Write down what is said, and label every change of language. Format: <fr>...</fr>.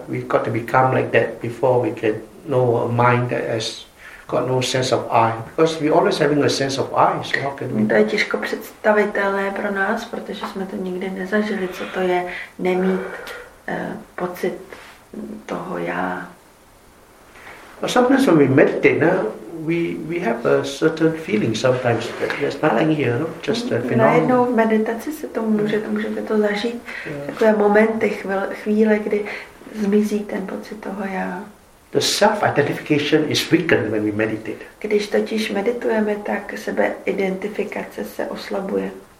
<en>We've got to become like that before we can know a mind that has got no sense of I. Because we're always having a sense of I, so how can we...</en> <cs>To je těžko představitelné pro nás, protože jsme to nikdy nezažili, co to je nemít pocit toho já.</cs> <en>But sometimes when we meditate, we have a certain feeling sometimes that there's nothing here, no? Just a phenomenon.</en> <cs>Najednou v meditaci se to můžete to zažít. Yeah. Takové momenty, chvíle, kdy zmizí ten pocit toho já.</cs> <en>The self-identification is weakened when we meditate.</en> <cs>Když totiž meditujeme, tak sebeidentifikace se oslabuje.</cs>